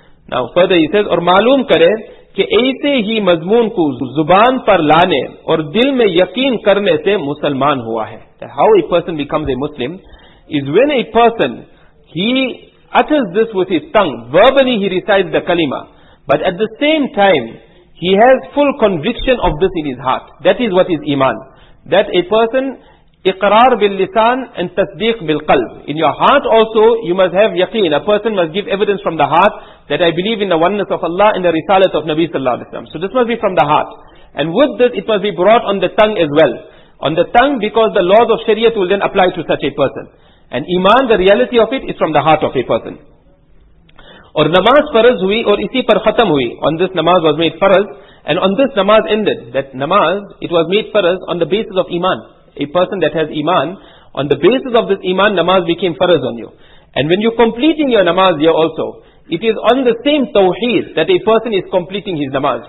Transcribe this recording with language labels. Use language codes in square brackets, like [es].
[en] Now further he says, [ur] اور معلوم کرے کہ ایسے ہی مضمون کو زبان پر لانے اور دل میں یقین کرنے سے مسلمان ہوا ہے. [en] How a person becomes a Muslim is when a person, he utters this with his tongue, verbally he recites the kalima, but at the same time he has full conviction of this in his heart. That is what is iman. That a person, [ar] اقرار باللسان [en] and [ar] تصدیق بالقلب. [en] In your heart also, you must have yaqeen. A person must give evidence from the heart that I believe in the oneness of Allah and the risalat of Nabi sallallahu alayhi wa sallam. So this must be from the heart. And with this, it must be brought on the tongue as well. On the tongue, because the laws of shariat will then apply to such a person. And iman, the reality of it, is from the heart of a person. [ur] اور نماز فرض ہوئی اور اسی پر ختم ہوئی. [en] On this namaz was made farz, and on this namaz ended. That namaz, it was made farz on the basis of iman. A person that has iman, on the basis of this iman, namaz became farz on you. And when you're completing your namaz here also, it is on the same tawheed that a person is completing his namaz.